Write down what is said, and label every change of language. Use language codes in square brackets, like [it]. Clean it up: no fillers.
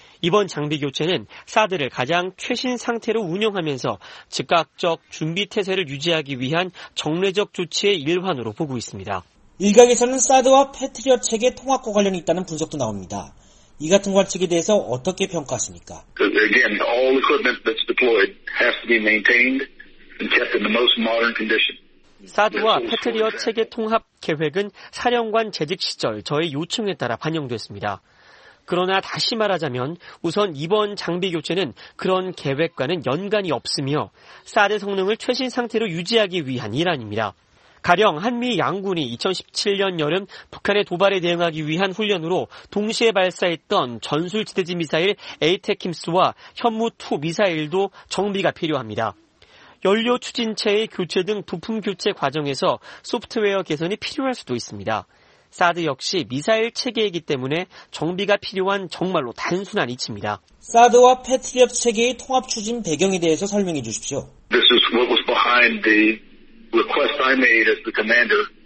[ko] 이번 장비 교체는 사드를 가장 최신 상태로 운영하면서 즉각적 준비 태세를 유지하기 위한 정례적 조치의 일환으로 보고 있습니다. 일각에서는 사드와 패트리엇 체계 통합과 관련이 있다는 분석도 나옵니다. 이 같은 관측에 대해서 어떻게 평가하십니까? [en] Again, all equipment that's deployed has to be maintained and kept in the most modern condition. [ko] 사드와 패트리어 체계 통합 계획은 사령관 재직 시절 저의 요청에 따라 반영됐습니다. 그러나 다시 말하자면 우선 이번 장비 교체는 그런 계획과는 연관이 없으며 사드 성능을 최신 상태로 유지하기 위한 일환입니다. 가령 한미 양군이 2017년 여름 북한의 도발에 대응하기 위한 훈련으로 동시에 발사했던 전술지대지 미사일 에이테킴스와 현무2 미사일도 정비가 필요합니다. 연료 추진체의 교체 등 부품 교체 과정에서 소프트웨어 개선이 필요할 수도 있습니다. 사드 역시 미사일 체계이기 때문에 정비가 필요한 정말로 단순한 이치입니다. 사드와 패트리엇 체계의 통합 추진 배경에 대해서 설명해 주십시오. [en] This is what was behind the request I made as the commander.